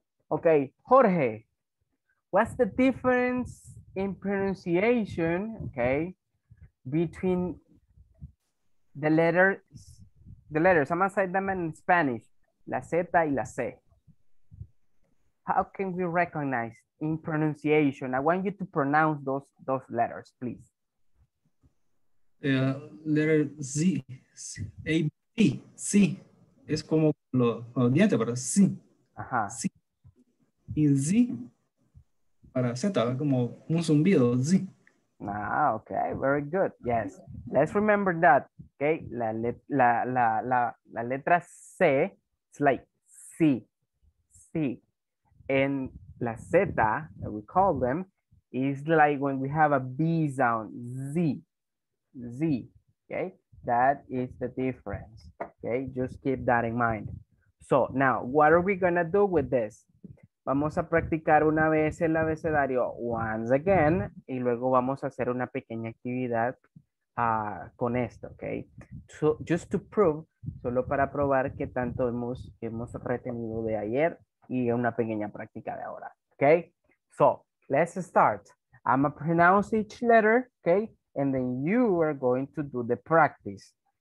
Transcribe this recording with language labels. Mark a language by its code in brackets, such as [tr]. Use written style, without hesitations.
[en] Okay, Jorge, what's the difference in pronunciation, okay, between the letters, I'm gonna say them in Spanish, [es] la Z y la C. [en] How can we recognize in pronunciation? I want you to pronounce those letters, please. [es] Letter Z, A, B, C, es como los dientes, pero sí. Ajá. Sí. Y Z para Z, como un zumbido, Z. [en] Ah, ok, very good, yes. Let's remember that, ok, [es] la letra C, [en] it's like C, C. And la Z, that we call them, is like when we have a B sound, Z. Z, okay, that is the difference, okay, just keep that in mind. So, now, what are we gonna do with this? [es] Vamos a practicar una vez el abecedario [en] once again, [es] y luego vamos a hacer una pequeña actividad con esto, okay, so, [en] just to prove, [es] solo para probar que tanto hemos retenido de ayer y una pequeña práctica de ahora, [en] okay, so, let's start. I'm gonna pronounce each letter, okay, and then you are going to do the practice.